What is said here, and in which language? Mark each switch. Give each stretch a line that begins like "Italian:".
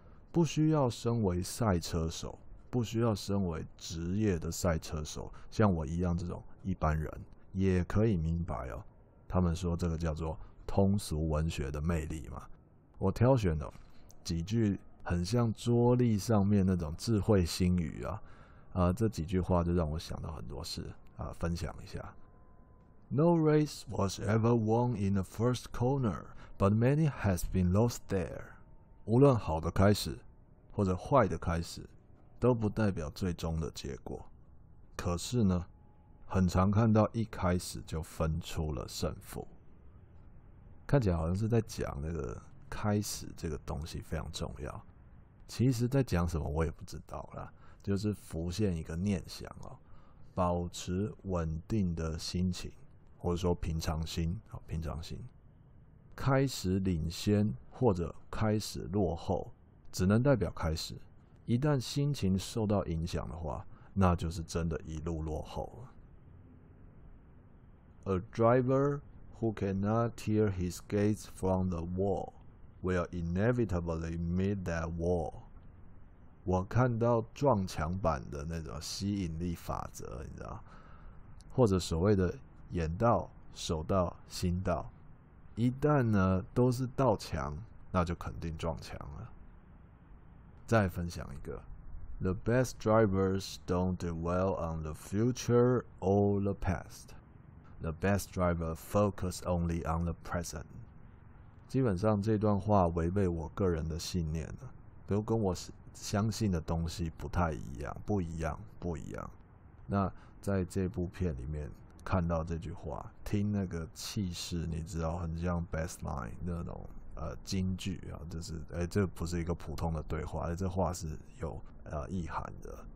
Chinese: 不需要身为赛车手，不需要身为职业的赛车手，像我一样这种一般人也可以明白哦。他们说这个叫做通俗文学的魅力嘛。我挑选了几句很像桌历上面那种智慧心语啊，这几句话就让我想到很多事啊，分享一下。
English: No race was ever won in the first corner, but many has been lost there.
Chinese: 无论好的开始或者坏的开始，都不代表最终的结果。可是呢，很常看到一开始就分出了胜负，看起来好像是在讲那个开始这个东西非常重要，其实在讲什么我也不知道啦，就是浮现一个念想哦，保持稳定的心情，或者说平常心，平常心，开始领先或者开始落后，只能代表开始，一旦心情受到影响的话，那就是真的一路落后了。
English: A driver who cannot tear his gaze from the wall will inevitably meet that wall.
Chinese: 我看到撞墙板的那种吸引力法则，你知道，或者所谓的眼到、手到、心到，一旦呢都是到墙，那就肯定撞墙了。再分享一个
English: ，The best drivers don't dwell on the future or the past. The best driver focus only on the present.
Chinese: 基本上这段话违背我个人的信念了，都跟我相信的东西不太一样，不一样，不一样。那在这部片里面看到这句话，听那个气势，你知道，很像 best line 那种金句啊，就是这不是一个普通的对话，这话是有意涵的。